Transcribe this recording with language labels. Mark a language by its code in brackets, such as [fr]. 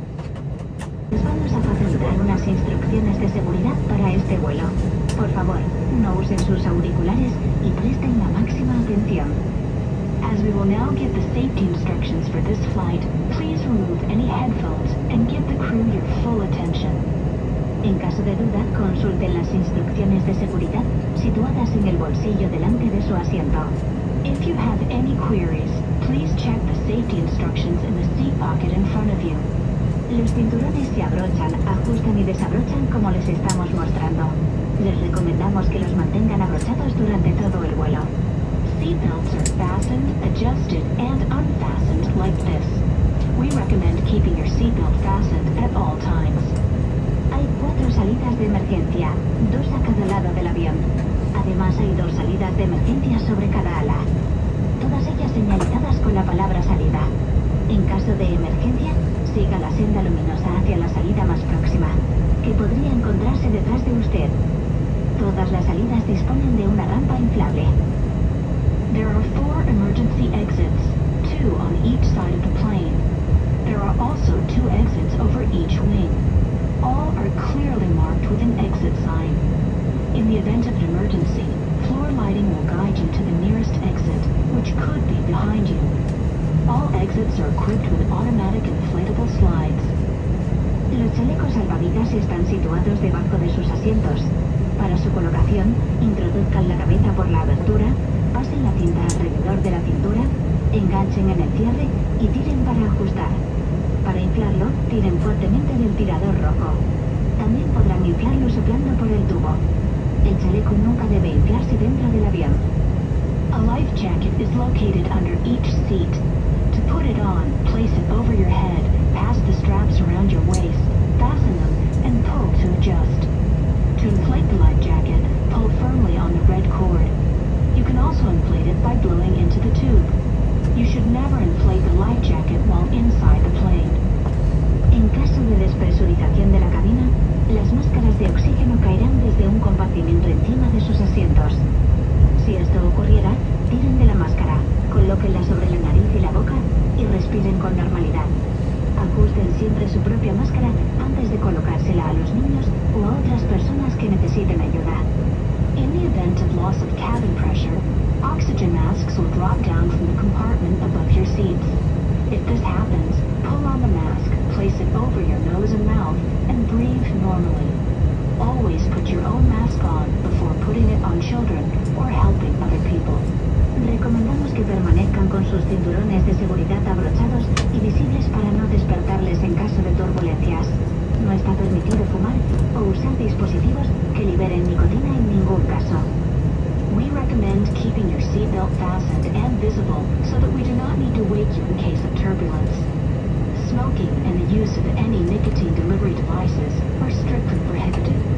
[es] Vamos a facilitar unas instrucciones de seguridad para este vuelo. Por favor, no usen sus auriculares y presten la máxima atención. [en] As we will now give the safety instructions for this flight, please remove any headphones and give the crew your full attention. [es] En caso de duda, consulten las instrucciones de seguridad situadas en el bolsillo delante de su asiento. [en] If you have any queries, please check the safety instructions in the seat pocket in front of you. [es] Los cinturones se abrochan, ajustan y desabrochan como les estamos mostrando. Les recomendamos que los mantengan abrochados durante todo el vuelo. [en] Seatbelts are fastened, adjusted, and unfastened like this. We recommend keeping your seatbelt fastened at all times. [es] Hay cuatro salidas de emergencia, dos a cada lado del avión. Además, hay dos salidas de emergencia sobre cada ala. Todas ellas señalizadas con la palabra salida. En caso de emergencia, siga la senda luminosa hacia la salida más próxima, que podría encontrarse detrás de usted. Todas las salidas disponen de una rampa inflable. [en] There are four emergency exits, two on each side of the plane. There are also two exits over each wing. All are clearly marked with an exit sign. In the event of an emergency, floor lighting will guide you to the nearest exit, which could be behind you. All exits are equipped with automatic inflatable slides. [es] Los chalecos salvavidas están situados debajo de sus asientos. Para su colocación, introduzcan la cabeza por la abertura, pasen la cinta alrededor de la cintura, enganchen en el cierre y tiren para ajustar. Para inflarlo, tiren fuertemente del tirador rojo. También podrán inflarlo soplando por el tubo. El chaleco nunca debe inflarse dentro del avión. [en] A life jacket is located under each seat. To put it on, place it over your head, pass the straps around your waist, fasten them, and pull to adjust. To inflate the life jacket, pull firmly on the red cord. You can also inflate it by blowing into the tube. You should never inflate the life jacket while inside the plane. [es] En caso de despresurización de la cabina, las máscaras de oxígeno caerán desde un compartimento encima de sus asientos. Si esto ocurriera, tiren de la máscara, colóquenla sobre la nariz y la boca y respiren con normalidad. Ajusten siempre su propia máscara antes de colocársela a los niños o a otras personas que necesiten ayuda. [en] In the event of loss of cabin pressure, oxygen masks will drop down from the compartment above your seats. If this happens, pull on the mask, place it over your nose and mouth, and breathe normally. Always put your own mask on before putting it on children or helping other people. [es] Recomendamos que permanezcan con sus cinturones de seguridad abrochados y visibles para no despertarles en caso de turbulencias. No está permitido fumar o usar dispositivos que liberen nicotina en ningún caso. [en] We recommend keeping your seatbelt fastened and visible so that we do not need to wake you in case of turbulence. Smoking and the use of any nicotine delivery devices are strictly prohibited.